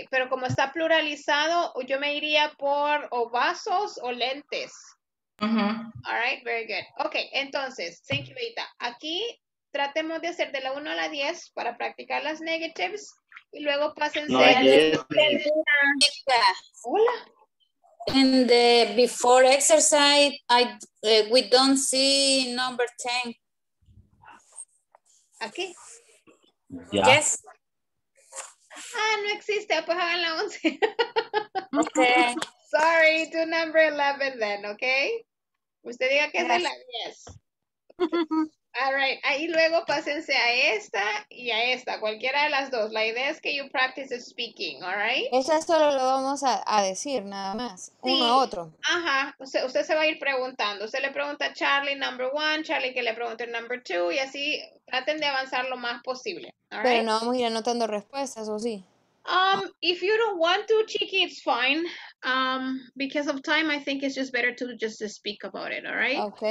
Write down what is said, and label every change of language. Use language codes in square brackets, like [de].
[es] Pero como está pluralizado, yo me iría por o vasos o lentes. Uh-huh. [en] All right, very good. Ok, entonces, thank you, Beita. [es] Aquí tratemos de hacer de la 1 a la 10 para practicar las negatives y luego pásense no, a la. Hola. [en] In the before exercise, we don't see number 10. [es] ¿Aquí? [en] Yeah. Yes. [es] Ah, no existe, pues hagan la 11. [en] Ok. Sorry, do number 11 then, okay? [es] Usted diga que es de la 10. All right, ahí luego pásense a esta y a esta, cualquiera de las dos. La idea es que [en] you practice speaking, all right? [es] Eso solo lo vamos a decir, nada más, sí. Uno a otro. Ajá, usted se va a ir preguntando. Usted le pregunta a Charlie [en] number 1, [es] Charlie que le pregunte [en] number 2, [es] y así traten de avanzar lo más posible, [en] all right? [es] Pero no vamos a ir anotando respuestas, ¿o sí? [en] If you don't want to, Chiqui, it's fine. Because of time, I think it's just better to just to speak about it, all right?